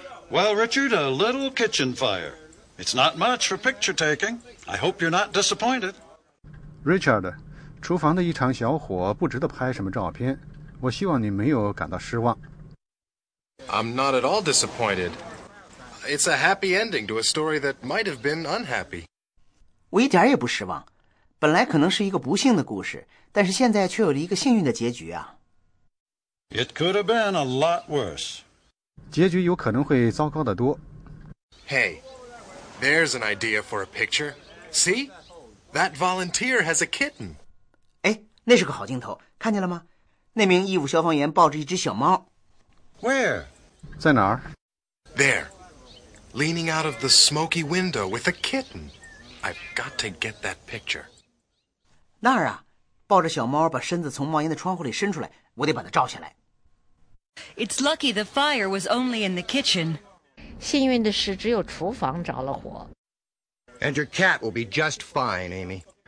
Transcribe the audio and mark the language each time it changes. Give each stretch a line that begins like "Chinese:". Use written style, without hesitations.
English: Well Richard, a little kitchen fire It's not much for picture taking I hope you're not disappointed
Chinese: Richard, 厨房的一场小火不值得拍什么照片我希望你没有感到失望
English: I'm not at all disappointed It's a happy ending to a story that might have been unhappy.
Chinese: 我一点也不失望。本来可能是一个不幸的故事，但是现在却有了一个幸运的结局啊。
English: It could have been a lot worse.
Chinese: 结局有可能会糟糕得多。
English: Hey, there's an idea for a picture. See? That volunteer has a kitten.
Chinese: 哎，那是个好镜头，看见了吗？那名义务消防员抱着一只小猫。
English: Where?
Chinese: 在哪儿?
English: There. Leaning out of the smoky window with a kitten. I've got to get that picture.
Chinese: 那儿啊，抱着小猫把身子从冒烟的窗户里伸出来，我得把它照下来。
English: It's lucky the fire was only in the kitchen.
Chinese: 幸运的是只有厨房着了火。
English: And your cat will be just fine, Amy.